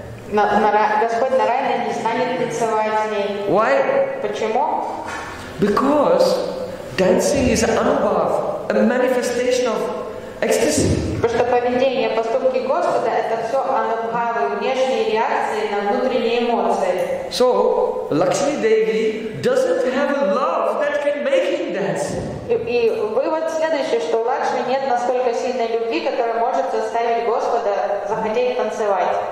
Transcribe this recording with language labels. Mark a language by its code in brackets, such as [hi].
[ru] Господь Нараяна не станет танцевать с ней. [en] Why? [ru] Почему? [en] Because dancing is an anubhav, a manifestation of ecstasy. [ru] Потому что поведение, поступки Господа это все анубхавы, внешние реакции на внутренние эмоции. [en] So, Lakshmi Devi doesn't have a love that can make him dance. [ru] И вывод следующий, что у Лакшми нет настолько сильной любви, которая может заставить Господа захотеть танцевать.